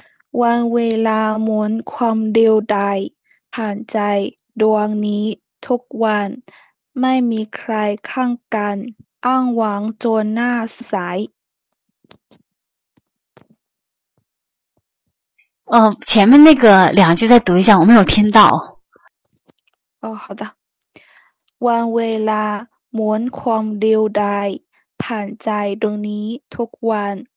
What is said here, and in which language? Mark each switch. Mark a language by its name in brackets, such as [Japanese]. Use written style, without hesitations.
[Thai] วันเวลาหมุนความเดียวดายผ่านใจดวงนี้ทุกวันไม่มีใครข้างกันอ้างหวังจนหน้าสาย [Chinese] 前面那个两句再读一下，我没有听到。好的。 [Thai] วันเวลาหมุนความเดียวดายผ่านใจดวงนี้ทุกวัน